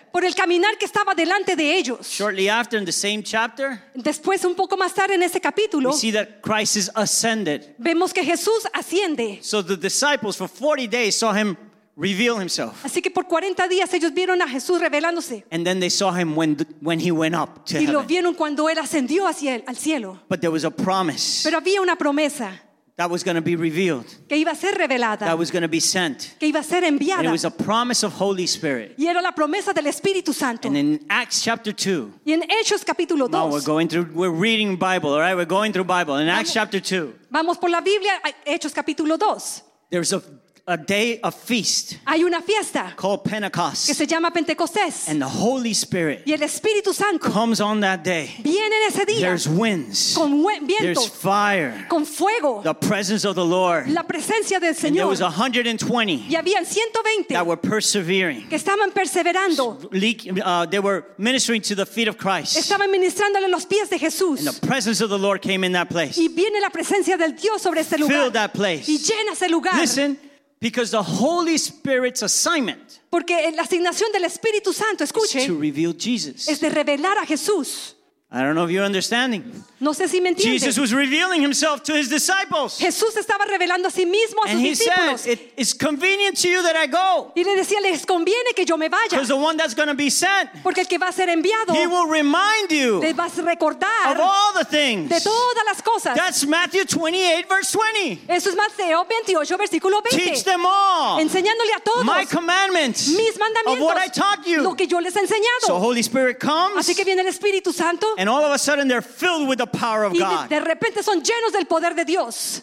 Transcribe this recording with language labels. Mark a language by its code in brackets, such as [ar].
[es] Por el caminar que estaba delante de ellos. [en] Shortly after, in the same chapter, [es] después un poco más tarde en ese capítulo, [en] we see that Christ is ascended. [es] Vemos que Jesús asciende. [en] So the disciples for 40 days saw him reveal himself. [es] Así que por 40 días ellos vieron a Jesús revelándose. [en] And then they saw him when he went up to heaven. [es] Y lo vieron cuando él ascendió hacia el al cielo. [en] But there was a promise. [es] Pero había una promesa. [en] That was going to be revealed. [es] Que iba a ser revelada. [en] That was going to be sent. [es] Que iba a ser enviada. [en] And it was a promise of Holy Spirit. [es] Y era la promesa del Espíritu Santo. [en] And in Acts chapter 2. [es] Y en Hechos capítulo 2. [en] No, we're reading Bible, all right? We're going through Bible. In Acts chapter 2. [es] Vamos por la Biblia, Hechos capítulo 2. [en] There's a day of feast. [es] Hay una fiesta. [en] Called Pentecost. [es] Que se llama Pentecostés. [en] And the Holy Spirit. [es] Y el Espíritu Santo. [en] Comes on that day. [es] Viene en ese día. [en] There's winds. [es] Con vientos. [en] There's fire. [es] Con fuego. [en] The presence of the Lord. [es] La presencia del Señor. [en] And there was 120. [es] Y habían 120. [en] That were persevering. [es] Que estaban perseverando. [en] They were ministering to the feet of Christ. [es] Estaban ministrándole los pies de Jesús. [en] And the presence of the Lord came in that place. [es] Y viene la presencia del Dios sobre ese lugar. [en] Filled that place. [es] Y llena ese lugar. [en] Listen. Because the Holy Spirit's assignment, [es] porque la asignación del Espíritu Santo, escuche, [en] is to reveal Jesus. [es] Es de revelar a Jesús. [en] I don't know if you're understanding. [es] No sé si me entiende. [en] Jesus was revealing himself to his disciples. [es] Jesús estaba revelando a sí mismo a [en] and [es] sus [en] he [es] discípulos. [en] Said, it's convenient to you that I go. [es] Y le decía, les conviene que yo me vaya. [en] Because the one that's going to be sent, [es] porque el que va a ser enviado, [en] he will remind you, [es] le vas a recordar, [en] of all the things, [es] de todas las cosas. [en] That's Matthew 28, verse 20. [es] Eso es Mateo 28, versículo 20. [en] Teach them all, [es] enseñándole a todos, [en] my commandments, [es] mis mandamientos, [en] of what I taught you, [es] lo que yo les he enseñado. [en] So Holy Spirit comes, [es] así que viene el Espíritu Santo. [en] And all of a sudden they're filled with the power of God. [es] De repente son llenos del poder de Dios.